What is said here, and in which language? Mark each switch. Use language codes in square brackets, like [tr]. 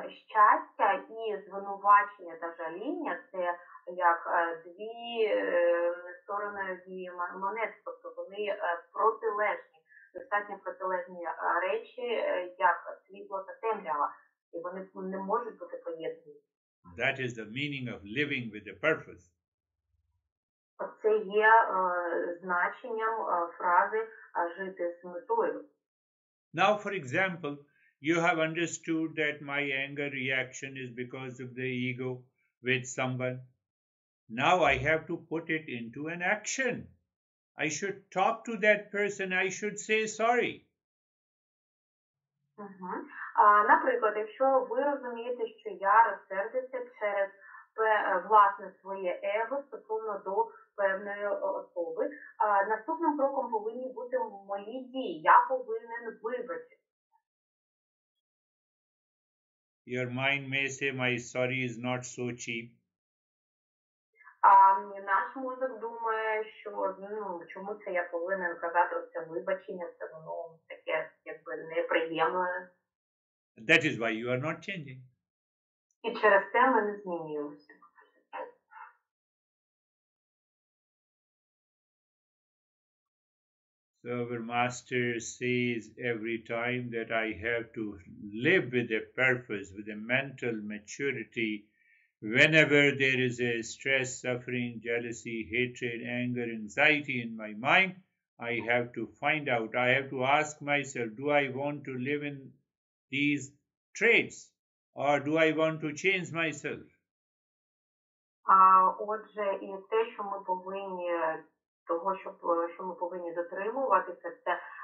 [uk] Щастя і звинувачення та жаління – це як дві сторони монети, тобто вони протилежні. Достатньо протилежні речі, як світло та темрява, і вони не можуть бути поєднані. [en] That is the meaning of living with a purpose. [uk] Це є значенням фрази «жити з метою». [en] Now, for example, you have understood that my anger reaction is because of the ego with someone. Now I have to put it into an action. I should talk to that person, I should say sorry. [uk] Наприклад, якщо ви розумієте, що я розсердився через власне своє его стосовно до певної особи, наступним кроком повинні бути мої дії. Я повинен вибачитися. [en] Your mind may say my sorry is not so cheap. [uk] Наш мозок думає, що чому це я повинен казати це вибачення, це воно таке якби неприємне. [en] That is why you are not changing. [uk] І через це ми не змінюємося. [en] So our master says every time that I have to live with a purpose, with a mental maturity, whenever there is a stress, suffering, jealousy, hatred, anger, anxiety in my mind, I have to find out, I have to ask myself, do I want to live in these traits or do I want to change myself? [uk] Отже, і те, що ми повинні дотримуватися, це